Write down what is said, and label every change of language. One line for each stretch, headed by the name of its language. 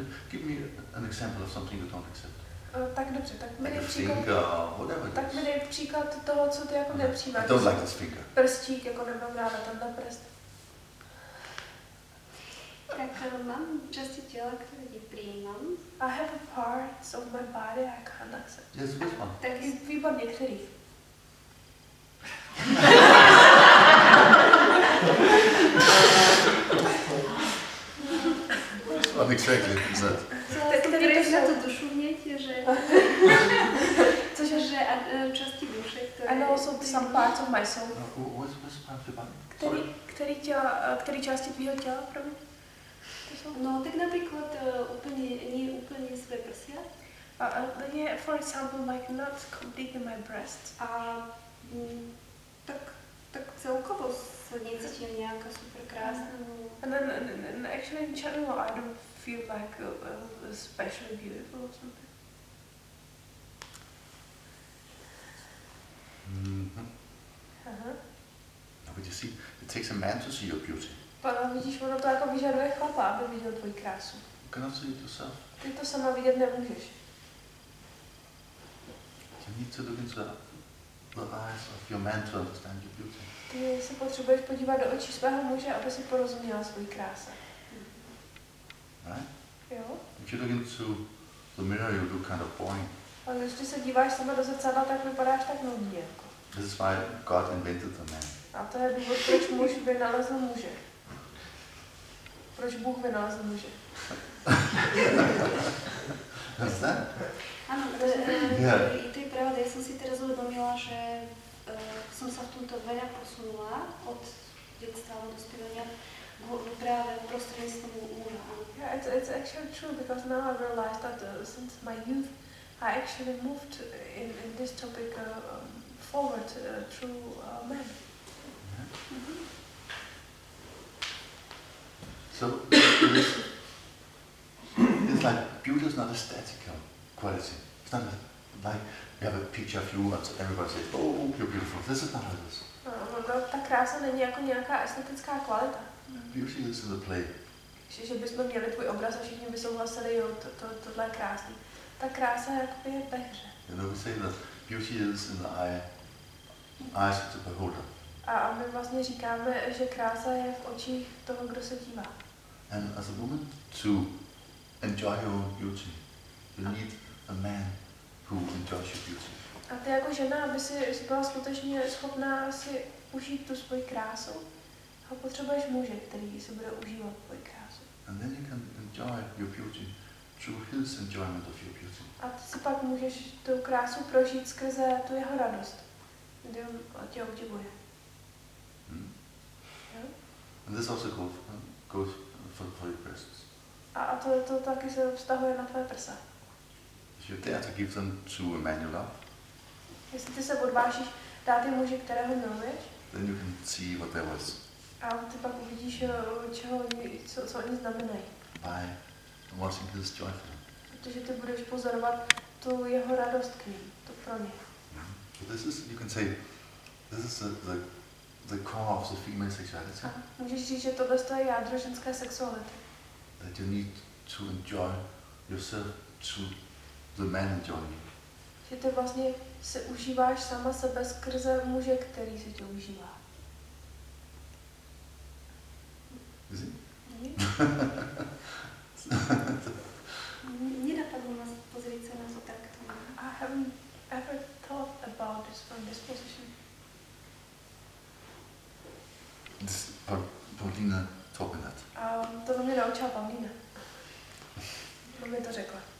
English: Give me an example of something you don't accept.
Czech: Tak dobře, tak mi příklad. Tak mi dej příklad toho, co ty jako nepřijímáš.
English: I don't like this finger.
Czech: Prstík, jako nemám ráda tenhle prst. Tak mám části těla, které nepřijímám.
English: I have parts of my body I can't accept. Yes, which one?
Czech: Tak je výborně, který.
English: What exactly is that? Tak
Czech: tady to na tu dušu mětě, že... Což je, že části duše, které...
English: And also some parts of my soul. What's part of your body?
Czech: Který části tvýho těla, promiň? No, tak například úplně své prsia.
English: For example, like not completely my breasts.
Czech: A tak celkovo se necítím nějak super krásná.
English: And actually in general I don't feel like especially beautiful or something. Mm-hmm. Uh-huh. But you see, it takes a man to see your beauty.
Czech: Ale vidíš, ono to jako vyžaduje chlapa, aby viděl tvoji krásu.
English: You cannot see it yourself.
Czech: Ty to sama vidět nemůžeš.
English: You need to look into the eyes of your man to understand your beauty.
Czech: Ty se potřebuješ podívat do očí svého muže, aby si porozuměla svoji krásu.
English: Right?
Czech: Jo.
English: If you look into the mirror, you look kind of boring.
Czech: Ale když ty se díváš sama do zrcadla, tak vypadáš tak nudně jako.
English: This is why God invented the man.
Czech: A to je důvod, proč muž vynalezl muže. Proč Bůh vynalezl muže?
English: Is that?
Czech: Ano, i to je pravda. Já jsem si teraz uvědomila, že jsem se v tomto veľa posunula od dětstva do dospívání právě prostřednictvím muža.
English: Yeah, it's actually true because now I realized that since my youth I actually moved in this topic forward through men. So it's like beauty is not a static quality. It's not like you have a picture of you and everybody says, "Oh, you're beautiful." This is not how it is.
Czech: No, ta krása není jako nějaká estetická kvalita.
English: Beauty is in the play.
Czech: Že bychom měli tvůj obraz a všichni by souhlasili, jo, tohle je krásný. Ta krása jakoby je ve hře.
English: You know, we say that beauty is in the eyes of the beholder.
Czech: A my vlastně říkáme, že krása je v očích toho, kdo se dívá.
English: And as a woman to enjoy your beauty, you need a man who enjoys your beauty.
Czech: A ty jako žena, aby si byla skutečně schopná si užít tu svoji krásu, a potřebuješ muže, který si bude užívat tvoji krásu.
English: And then you can enjoy your beauty through his enjoyment of your beauty.
Czech: A ty si pak můžeš tu krásu prožít skrze tu jeho radost, kdy on tě obdivuje.
English: And this also goes for your breasts.
Czech: A to taky se vztahuje na tvoje prsa.
English: If you dare to give them to a man you love.
Czech: Jestli ty se odvážíš dát je muži, kterého miluješ.
English: Then you can see what they was.
Czech: A ty pak uvidíš, co oni znamenají.
English: By watching his joy for them.
Czech: Protože ty budeš pozorovat tu jeho radost k ním, to pro ně.
English: So this is, you can say, this is the core of the female sexuality.
Czech: Můžeš říct, že tohle je jádro ženské sexuality.
English: That you need to enjoy yourself to the man enjoying you.
Czech: Že ty vlastně se užíváš sama sebe skrze muže, který se tě užívá.
English: Is it?
Slovak: Mně napadlo nás pozrieť se na to takto.
English: I haven't ever thought about this from this position. This Paulina taught me that.
Czech: To mě naučila Paulina. To mi to řekla.